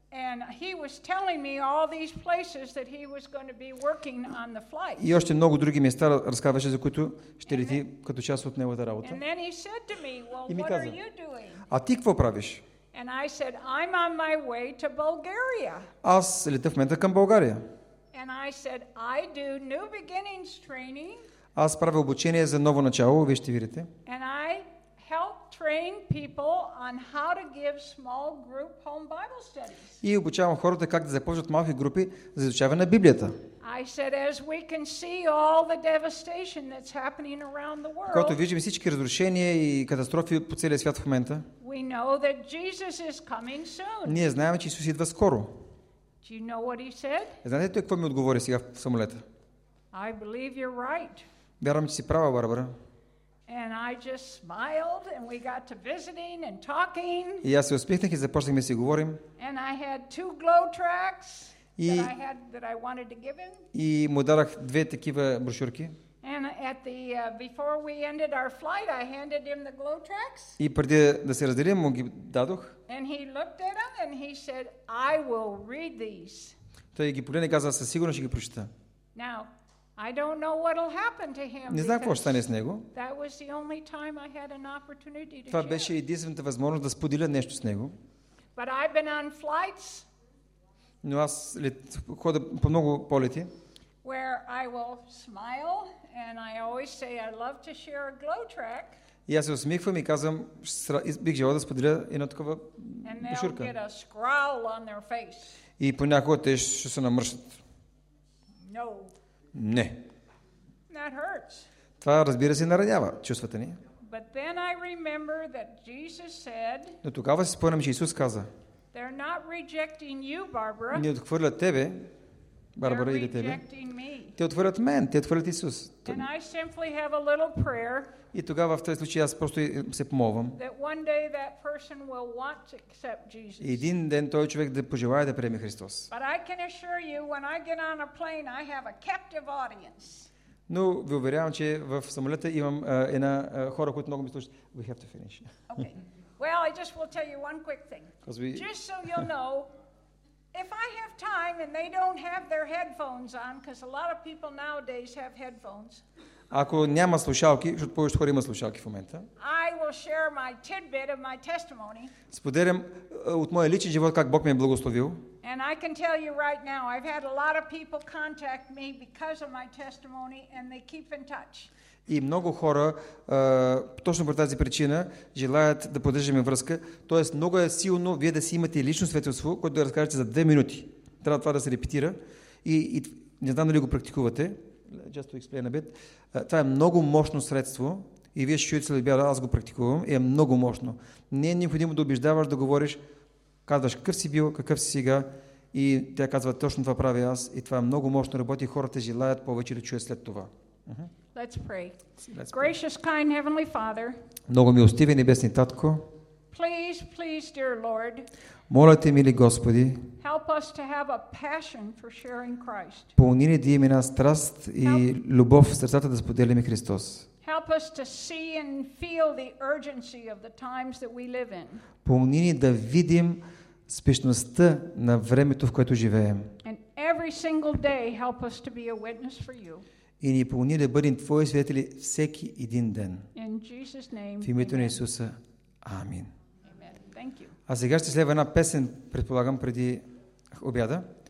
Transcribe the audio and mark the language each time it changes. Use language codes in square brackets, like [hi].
[en] And he was telling me all these places that he was going to be working on the flight. [bg] И още много други места разказваше, за които ще лети като част от неговата работа. [en] And then he said to me, "Well, what are you doing?" [bg] А ти какво правиш? [en] And I said, "I'm on my way to Bulgaria." [bg] Аз летя в момента към България. [en] And I said, "I do new beginnings training." [bg] Аз правя обучение за ново начало, вие ще видите. [en] And I help train people on how to give small group home Bible studies. [bg] И обучавам хората как да започнат малки групи за изучаване на Библията. [en] I said, as we can see all the devastation that's happening around the world. [bg] Когато виждаме всички разрушения и катастрофи по целия свят в момента. [en] We know that Jesus is coming soon. [bg] Ние знаем, че Исус идва скоро. [en] Do you know what he said? [bg] Знаете ли какво ми отговори сега в самолета? [en] I believe you're right. [bg] Вярвам, че си права, Барбара. [en] And I just smiled and we got to visiting and talking. [bg] И аз се усмихнах и започнахме да си говорим. [en] And I had two glow tracks that I wanted to give him. [bg] И му дарах две такива брошурки. [en] And at the before we ended our flight, I handed him the glow tracks. [bg] И преди да се разделим, му ги дадох. [en] And he looked at them and he said, "I will read these." [bg] Той ги погледна и каза, със сигурност ще ги прочета. [en] Now, I don't know what'll happen to him. [bg] Не знам какво ще стане с него. [en] That was the only time I had an opportunity to share. [bg] Това беше единствената възможност да споделя нещо с него. [en] But I've been on flights. [bg] Но аз ходя по много полети. [en] Where I will smile and I always say I love to share a glow track. [bg] И аз се усмихвам и казвам, бих желал да споделя една такава брошурка. [en] And they'll get a scrawl on their face. [bg] И понякога те ще се намръщат. [en] No. [bg] Не. [en] That hurts. [bg] Това, разбира се, наранява чувствата ни. [en] But then I remember that Jesus said, [bg] но тогава си спомням, че Исус каза, [en] they're not rejecting you, Barbara. [bg] Не отхвърлят тебе, Барбара, или тебе. Те отхвърлят мен, те отхвърлят Исус. [en] And I simply have a little prayer, [bg] и тогава в този случай аз просто се помолвам. [en] That one day that person will want to accept Jesus. [bg] И един ден той човек да пожелае да приеме Христос. [en] But I can assure you, when I get on a plane, I have a captive audience. [bg] Но ви уверявам, че в самолета имам една хора, които много ми слушат. [en] We have to finish. Okay. Well, I just will tell you one quick thing. Just so you'll know, if I have time and they don't have their headphones on, because a lot of people nowadays have headphones. [bg] Ако няма слушалки, защото повечето хора има слушалки в момента. [en] I will share my tidbit of my testimony. [bg] Споделям от моя личен живот как Бог ме е благословил. [en] And I can tell you right now, I've had a lot of people contact me because of my testimony and they keep in touch. [bg] И много хора точно по тази причина желаят да поддържаме връзка, т.е. много е силно вие да си имате лично свидетелство, което да разкажете за 2 минути. Трябва това да се репетира и не знам дали го практикувате. [en] Just to explain a bit. [bg] Това е много мощно средство и вие ще чуете след обяда, аз го практикувам и е много мощно. Не е необходимо да убеждаваш да говориш, казваш какъв си бил, какъв си сега и тя казва точно това правя аз и това е много мощно работи и хората желаят повече да чуят след това. [en] Let's pray. Gracious, kind Heavenly Father. [bg] Много милостивен небесен Татко. [en] Please, please, dear Lord. [bg] Моля те, мили Господи. [en] Help us to have a passion for sharing Christ. [bg] Помогни ни да имаме една страст и любов в сърцата да споделяме Христос. [en] Help us to see and feel the urgency of the times that we live in. [bg] Помогни ни да видим спешността на времето, в което живеем. [en] And every single day help us to be a witness for you. [bg] И ни помогни да бъдем Твои свидетели всеки един ден. [en] In Jesus name, [bg] в името на Исуса. Амин. [en] Amen. Thank you. [bg] А сега ще следва една песен, предполагам, преди обяда.